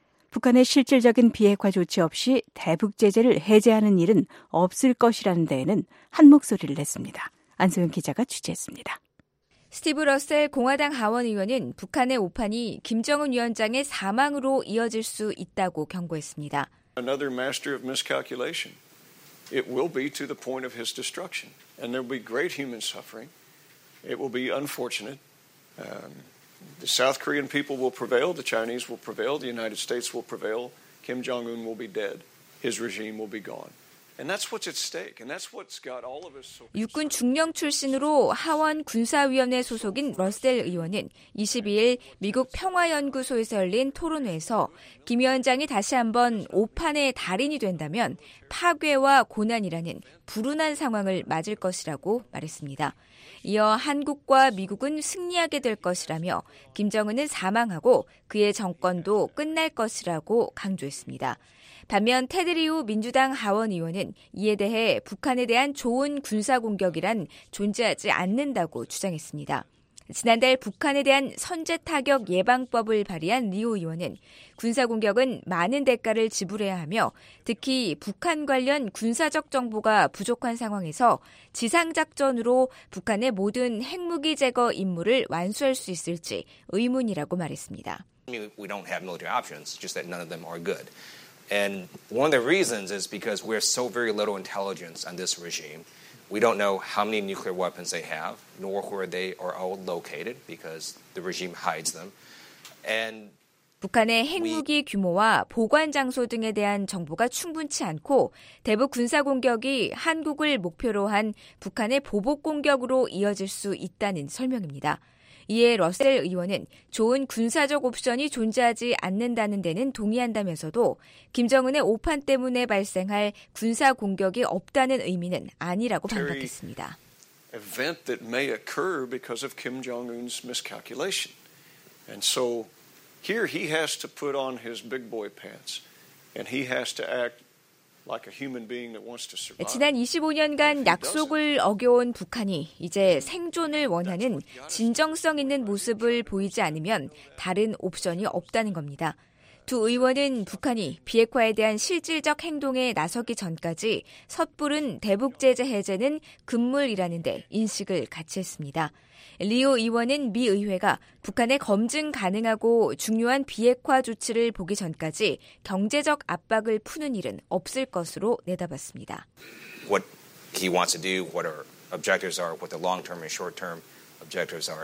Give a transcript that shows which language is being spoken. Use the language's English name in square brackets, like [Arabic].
[Korean] 북한의 실질적인 비핵화 조치 없이 대북 제재를 해제하는 일은 없을 것이라는 데에는 한 목소리를 냈습니다. 안소영 기자가 취재했습니다. 스티브 러셀 공화당 하원 의원은 북한의 오판이 김정은 위원장의 사망으로 이어질 수 있다고 경고했습니다. [English] Another master of miscalculation. It will be to the point of his destruction. And there will be great human suffering. It will be unfortunate. The South Korean people will prevail. The Chinese will prevail. The United States will prevail. Kim Jong-un will be dead. His regime will be gone. And that's what's at stake. And that's what's got all of us so... [Korean] 육군 중령 출신으로 하원 군사위원회 소속인 러셀 의원은 22일 미국 평화연구소에서 열린 토론회에서 김 위원장이 다시 한번 오판의 달인이 된다면 파괴와 고난이라는 불운한 상황을 맞을 것이라고 말했습니다. 이어 한국과 미국은 승리하게 될 것이라며 김정은은 사망하고 그의 정권도 끝날 것이라고 강조했습니다. 반면 테드리우 민주당 하원 의원은 이에 대해 북한에 대한 좋은 군사공격이란 존재하지 않는다고 주장했습니다. 지난달 북한에 대한 선제타격 예방법을 발의한 리오 의원은 군사공격은 많은 대가를 지불해야 하며 특히 북한 관련 군사적 정보가 부족한 상황에서 지상작전으로 북한의 모든 핵무기 제거 임무를 완수할 수 있을지 의문이라고 말했습니다. [English] We don't have military options, just that none of them are good. And one of the reasons is because we have so very little intelligence on this regime. We don't know how many nuclear weapons they have, nor where they are all located, because the regime hides them. And [Korean] 북한의 핵무기 규모와 보관 장소 등에 대한 정보가 충분치 않고 대북 군사 공격이 한국을 목표로 한 북한의 보복 공격으로 이어질 수 있다는 설명입니다. 이에 러셀 의원은 좋은 군사적 옵션이 존재하지 않는다는 데는 동의한다면서도 김정은의 오판 때문에 발생할 군사 공격이 없다는 의미는 아니라고 반박했습니다. [English] Event that may occur because of Kim Jong-un's miscalculation. And so here he has to put on his big boy pants and he has to act like a human being that wants to survive. [Korean] 지난 25년간 약속을 어겨온 북한이 이제 생존을 원하는 진정성 있는 모습을 보이지 않으면 다른 옵션이 없다는 겁니다. 두 의원은 북한이 비핵화에 대한 실질적 행동에 나서기 전까지 섣부른 대북 제재 해제는 금물이라는 데 인식을 같이 했습니다. 리오 의원은 미 의회가 북한의 검증 가능하고 중요한 비핵화 조치를 보기 전까지 경제적 압박을 푸는 일은 없을 것으로 내다봤습니다. [English] What he wants to do, what our objectives are, what the long-term and short-term objectives are.